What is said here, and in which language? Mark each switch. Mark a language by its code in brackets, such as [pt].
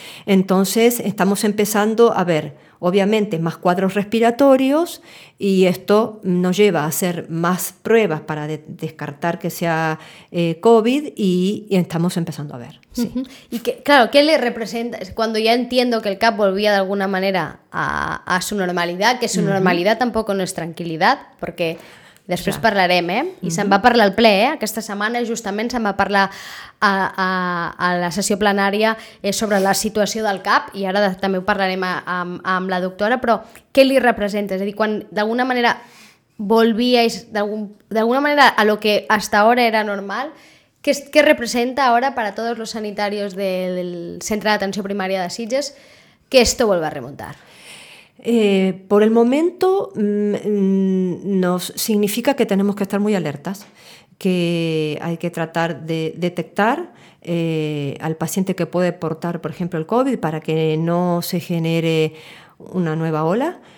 [es] Entonces, estamos empezando a ver, obviamente, más cuadros respiratorios y esto nos lleva a hacer más pruebas para descartar que sea COVID y estamos empezando a ver. Sí. Y que, claro, ¿qué le representa? Cuando ya entiendo que el CAP volvía de alguna manera a su normalidad, que su normalidad tampoco no es tranquilidad, porque... [ca] Després ja. Parlarem, eh? I se'n va parlar al ple, eh? Aquesta setmana justament se'n va parlar a la sessió plenària sobre la situació del CAP i ara també ho parlarem amb la doctora, però què li representa? És a dir, quan d'alguna manera [es] volvíeis, [ca] d'alguna manera [es] a lo que hasta ahora era normal, [ca] què representa [es] ahora para todos los sanitarios del Centre [ca] d'Atenció Primària de Sitges [es] que esto vuelva a remontar? Por el momento nos significa que tenemos que estar muy alertas, que hay que tratar de detectar al paciente que puede portar, por ejemplo, el COVID para que no se genere una nueva ola.